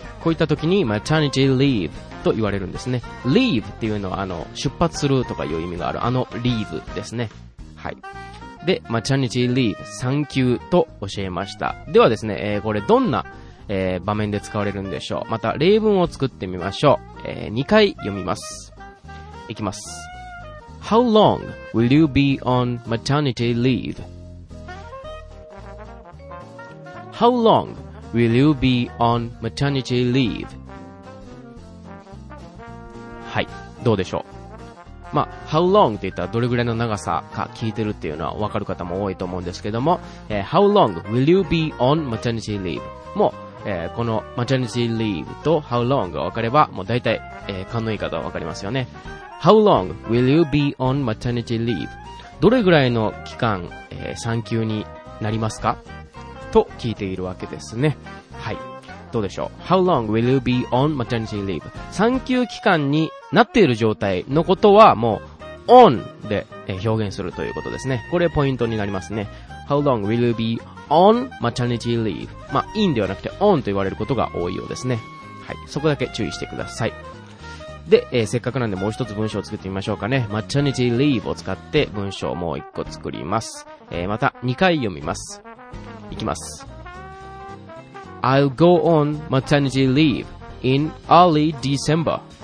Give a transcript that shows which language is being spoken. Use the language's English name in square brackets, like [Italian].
[Japanese] こういった時に maternity leave と言われるんですね。leave っていうのは、出発するとかいう意味がある、あの leave ですね。はい。で、maternity leave、産休と教えました。ではですね、これどんな、場面で使われるんでしょう。また例文を作ってみましょう。 2回読みます。いきます。 [English] How long will you be on maternity leave? How long will you be on maternity leave? [Japanese] はい、どうでしょう。まあ、How long って言ったらどれぐらいの長さか聞いてるっていうのは分かる方も多いと思うんですけども、 [English] How long will you be on maternity leave? [Japanese] もう、この maternity leave と How long が分かればもう大体、勘のいい方は分かりますよね。 [English] How long will you be on maternity leave? [Japanese] どれぐらいの期間、産休になりますか? と聞いているわけですね。はい。どうでしょう。 [English] How long will you be on maternity leave? [Japanese] 産休期間になっている状態のことはもう on で表現するということですね。これポイントになりますね。 [English] How long will you be on maternity leave? [Japanese] まあ、in ではなくて on と言われることが多いようですね。はい。そこだけ注意してください。で、せっかくなんでもう一つ文章を作ってみましょうかね。 Maternity leave を使って文章をもう一個作ります。また2回読みます。いきます。 [English] I'll go on maternity leave in early December.